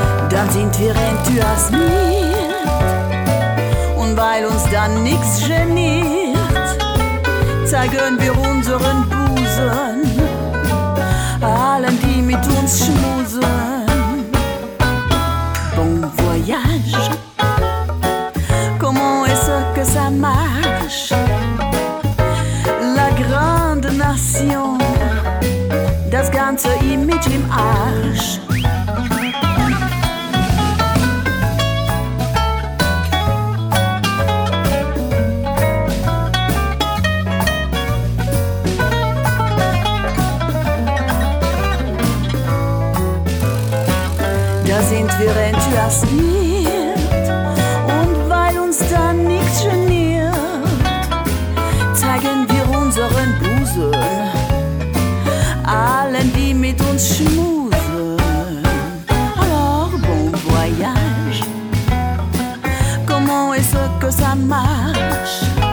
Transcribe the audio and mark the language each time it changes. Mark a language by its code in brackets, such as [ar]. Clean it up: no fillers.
[de] Dann sind wir enthusiasmiert und weil uns dann nichts geniert, zeigen wir unseren Busen allen, die mit uns schmusen. [fr] Bon voyage, comment est-ce que ça marche? La grande nation, [de] das ganze Image im Arsch. Wir enthusiasmiert und weil uns dann nichts geniert, zeigen wir unseren Busen allen, die mit uns schmusen. [fr] Alors, bon voyage, comment est-ce que ça marche?